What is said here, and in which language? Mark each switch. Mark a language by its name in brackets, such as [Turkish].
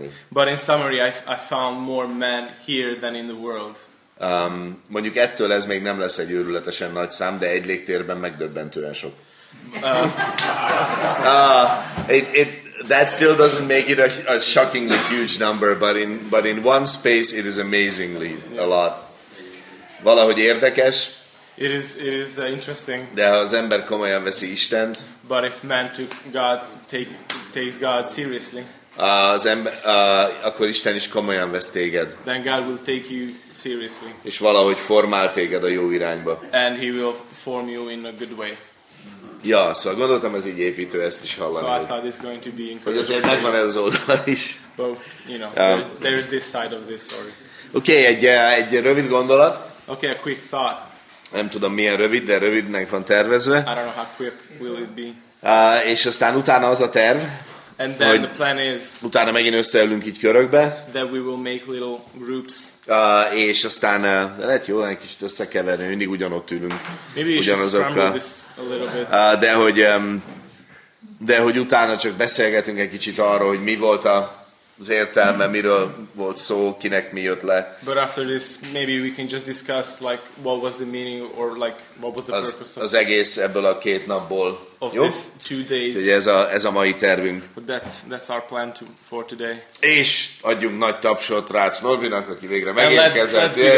[English] But in summary, I found more men here than in the world. [Hungarian] Mondjuk ettől ez még nem lesz egy őrületesen nagy szám, de egy légtérben megdöbbentően sok. [English] That still doesn't make it a shockingly huge number, but in one space it is amazingly a lot. [Hungarian] Valahogy érdekes. [English] It is interesting. [Hungarian] De ha az ember komolyan veszi Istent. [English] But if man took God takes God seriously. [Hungarian] Az ember, akkor Isten is komolyan vesz téged. [English] Then God will take you seriously. [Hungarian] És valahogy formál téged a jó irányba. [English] And he will form you in a good way. [Hungarian] Ja, szóval gondoltam ez így építő, ezt is hallani. [English] So I thought it's going to be [Hungarian] hogy azért megvan ez az oldala is. [English] But, you know, there's this side of this story. [Hungarian] Okay, egy rövid gondolat. [English] Okay, a quick thought. [Hungarian] Nem tudom milyen rövid, de rövidnek van tervezve. [English] I don't know how quick will it be. [Hungarian] És aztán utána az a terv. [English] And then the plan is, [Hungarian] utána megint összeülünk így körökbe. [English] That we will make little groups. [Hungarian] És aztán lehet jó, egy kicsit összekeverni, mindig ugyanott ülünk. [English] Maybe [Hungarian] ugyanazokkal. [English] You should scramble this a little bit. [Hungarian] De hogy utána csak beszélgetünk egy kicsit arról, hogy mi volt az értelme, miről volt szó, kinek mi jött le. [English] But after this, maybe we can just discuss like what was the meaning or like what was the purpose of [Hungarian] az egész ebből a két napból. [English] Of this 2 days. [Hungarian] Úgyhogy ez a mai tervünk. [English] But that's our plan for today. [Hungarian] És adjunk nagy tapsot Rácz Norbinak, aki végre megérkezett.